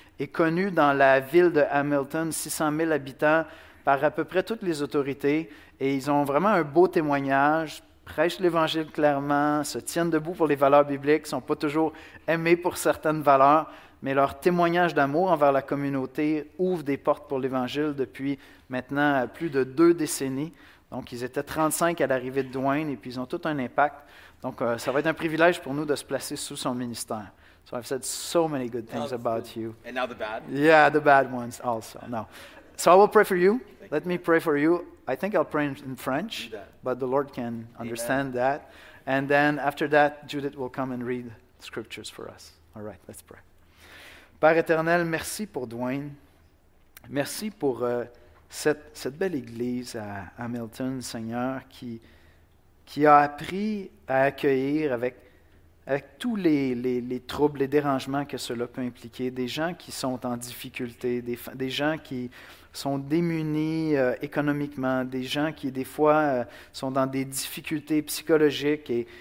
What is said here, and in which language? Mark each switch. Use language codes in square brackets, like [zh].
[fr] est connue dans la ville de Hamilton, 600 000 habitants, par à peu près toutes les autorités, et ils ont vraiment un beau témoignage, prêchent l'Évangile clairement, se tiennent debout pour les valeurs bibliques, ne sont pas toujours aimés pour certaines valeurs, mais leur témoignage d'amour envers la communauté ouvre des portes pour l'Évangile depuis maintenant plus de deux décennies. Donc, ils étaient 35 à l'arrivée de Dwayne, et puis ils ont tout un impact. Donc, ça va être un privilège pour nous de se placer sous son ministère. [en] So, I've said so many good things about you. And now the bad. Yeah, the bad ones also. No. So, I will pray for you. Let me pray for you. I think I'll pray in French, but the Lord can understand that. And then, after that, Judith will come and read scriptures for us. All right, let's pray. [fr] Père éternel, merci pour Dwayne. Merci pour cette belle église à Hamilton, Seigneur, qui a appris à accueillir avec tous les troubles, les dérangements que cela peut impliquer, des gens qui sont en difficulté, des gens qui sont démunis économiquement, des gens qui, des fois, sont dans des difficultés psychologiques.